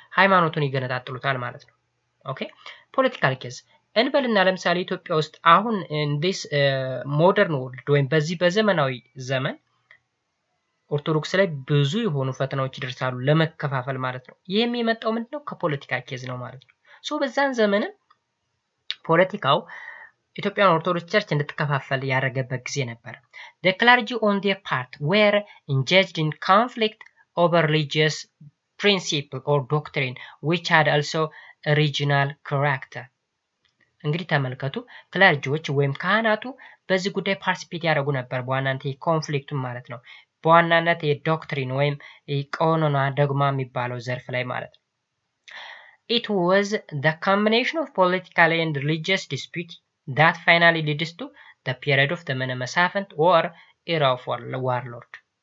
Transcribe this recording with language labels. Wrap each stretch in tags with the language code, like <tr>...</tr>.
<am>ሃይማኖቱን ይገነጣጥሉታል ማለት ነው። ኦኬ ፖለቲካል ኬዝ እንበልና ለምሳሌ ኢትዮጵያ ውስጥ አሁን ኢን ዲስ ሞደርን ወርልድ ወይም በዚህ በዘመናዊ ዘመን ኦርቶዶክስ ላይ ብዙ የሆኑ ፈተናዎች ይደርሳሉ ለመከፋፈል ማለት ነው። ይሄም የሚመጣው ምንድነው? ከፖለቲካል ኬዝ ነው ማለት ነው። ሶ በዛን ዘመን ፖለቲካው ኢትዮጵያ ኦርቶዶክስ ቸርች እንድትከፋፈል ያደረገበት ጊዜ ነበር።</am> <en>The clergy on their part were engaged in conflict over religious principle or doctrine which had also regional character.</en> <am>እንግዲህ ተመልከቱ ክለርጂዎች ወይም ካህናቱ በዚህ ጉዳይ ፓርቲሲፔት ያደረጉ ነበር በዋናነት የኮንፍሊክቱ ማለት ነው። በዋናነት የዶክትሪን ወይም የቀኖና ደግማ የሚባለው ዘርፍ ላይ ማለት ነው።</am> <en>It was the combination of political and religious dispute that finally leads to the period of the Menemasafent or era of warlord.</en>